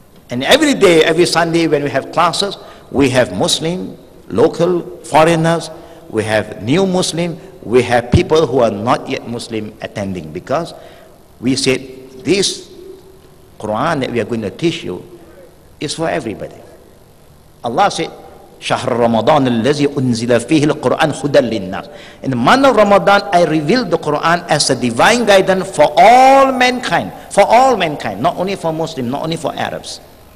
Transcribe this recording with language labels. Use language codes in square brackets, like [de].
[en] And every day, every Sunday when we have classes, we have Muslim, local, foreigners, we have new Muslim, we have people who are not yet Muslim attending, because we said this Quran that we are going to teach you is for everybody. Allah said, [ar] شهر رمضان الذي أنزل فيه القرآن هدى للناس. [en] In the month of Ramadan, I revealed the Quran as a divine guidance for all mankind. For all mankind, not only for Muslims, not only for Arabs.